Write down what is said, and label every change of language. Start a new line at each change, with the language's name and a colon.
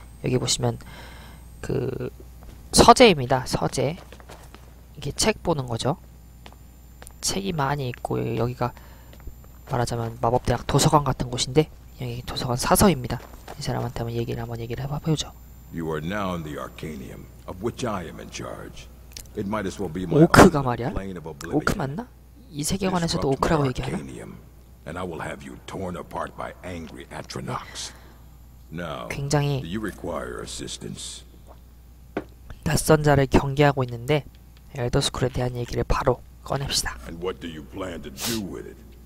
Korean: 여기 보시면 그 서재입니다. 서재. 이게 책 보는 거죠. 책이 많이 있고 여기가 말하자면 마법대학 도서관 같은 곳인데 여기 도서관 사서입니다. 이 사람한테만 얘기를 한번 해보죠.
English: You are now in the Arcanium, of which I am in charge. It might as well be my
Korean: Oka가 말이야? 오크 맞나? 이 세계관에서도 오크라고 얘기하나?
English: And I will have you torn apart by angry Atronox. Now, do you require assistance?
Korean: 낯선 자를 경계하고 있는데 엘더스쿨에 대한 얘기를 바로 꺼냅시다.
English: And what do you plan to do with it?